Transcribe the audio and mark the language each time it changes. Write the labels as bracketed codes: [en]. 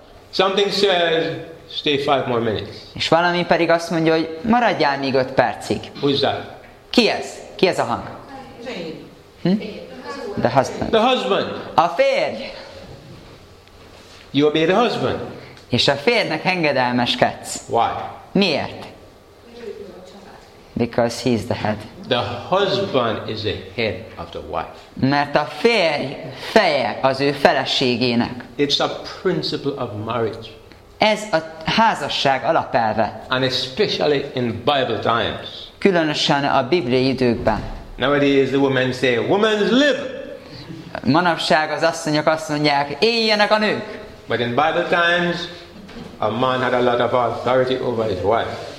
[en] Something says, stay 5 more minutes. [hu] És valami pedig azt mondja, hogy maradjál még 5 percig. [en] Who is that? [hu] Ki ez? Ki ez a hang? [en] The husband. The husband. [hu] A férj. [en] You obey the husband. [hu] És a férjnek engedelmeskedsz. [en] Why? [hu] Miért? [en] Because he's the head. The husband is the head of the wife. [hu] Mert a férj feje az ő feleségének. [en] It's a principle of marriage. [hu] Ez a házasság alapelve. [en] And especially in Bible times. [hu] Különösen a bibliai időkben. [en] Nowadays the women say, "Women live." [hu] Manapság az asszonyok azt mondják, éljenek a nők. [en] But in Bible times, a man had a lot of authority over his wife.